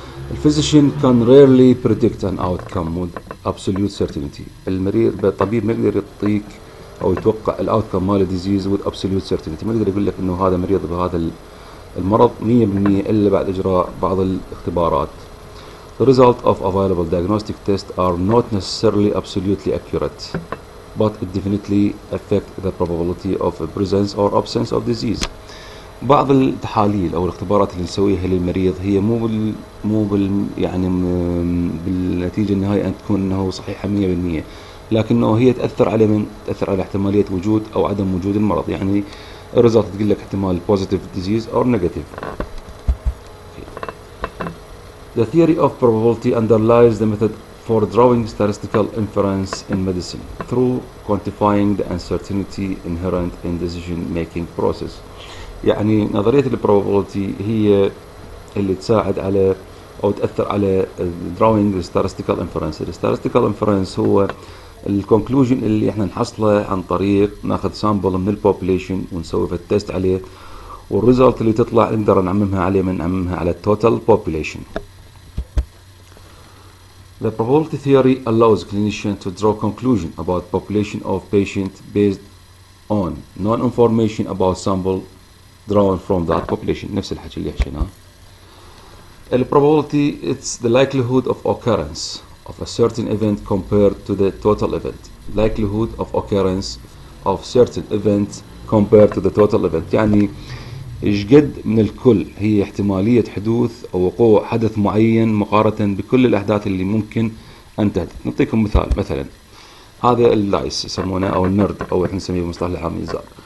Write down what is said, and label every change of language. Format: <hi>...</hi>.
<en>The physician can rarely predict an outcome with absolute certainty.</en> <ar>المريض الطبيب ما يقدر يعطيك او يتوقع الاوتكم مال الديزيز with absolute certainty، ما يقدر يقول لك انه هذا مريض بهذا المرض 100% الا بعد اجراء بعض الاختبارات.</ar> <en>The result of available diagnostic tests are not necessarily absolutely accurate، but it definitely affects the probability of a presence or absence of disease.</en> <ar>بعض التحاليل أو الاختبارات اللي نسويها للمريض هي مو بال بالنتيجة النهائية أن تكون أنه صحيحة 100%، لكنه هي تأثر على من تأثر على احتمالية وجود أو عدم وجود المرض. يعني الرزالة تقول لك احتمال positive disease or negative.</ar> <en>The theory of probability underlies the method for drawing statistical inference in medicine through quantifying the uncertainty inherent in decision-making process.</en> <ar>يعني نظرية probability هي اللي تساعد على أو تأثر على drawing statistical inference. Statistical inference هو الconclusion اللي احنا نحصله عن طريق ناخذ sample من population ونسوي في التست عليه، والresult اللي تطلع نقدر نعممها عليه من نعممها على total population.</ar> <en>The probability theory allows clinicians to draw conclusion about population of patient based on non-information about sample drawn from that population.</en> <ar>نفس الحكي اللي حكيناه.</ar> <en>The probability it's the likelihood of occurrence of a certain event compared to the total event. Likelihood of occurrence of certain event compared to the total event.</en> <ar>يعني إيش قد من الكل هي احتمالية حدوث أو وقوع حدث معين مقارنة بكل الأحداث اللي ممكن أن تحدث. نعطيكم مثال. مثلا هذا اللايس يسمونه أو النرد أو إحنا نسميه بمصطلح العام يزار.</ar>